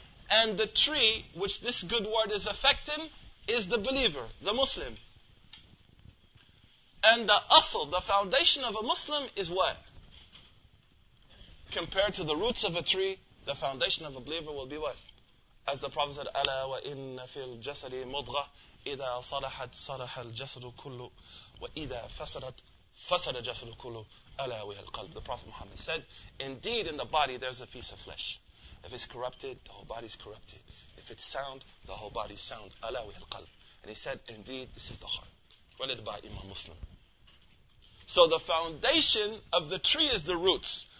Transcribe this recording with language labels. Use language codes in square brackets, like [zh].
[en] And the tree which this good word is affecting is the believer, the Muslim. And the asl, the foundation of a Muslim is what? Compared to the roots of a tree, the foundation of a believer will be what? As the Prophet said, [ar] أَلَا وَإِنَّ فِي الْجَسَدِ مُضْغَةً إِذَا صَلَحَتْ صَلَحَ الْجَسَدُ كُلُّ وَإِذَا فَسَدَتْ فَسَدَ الْجَسَدُ كُلُّ أَلَا وَهِيَ الْقَلْبُ. [en] The Prophet Muhammad said, indeed in the body there's a piece of flesh. If it's corrupted, the whole body is corrupted. If it's sound, the whole body is sound. [ar] أَلَا وَهِيَ الْقَلْبُ. [en] And he said, indeed this is the heart. Related by Imam Muslim. So the foundation of the tree is the roots.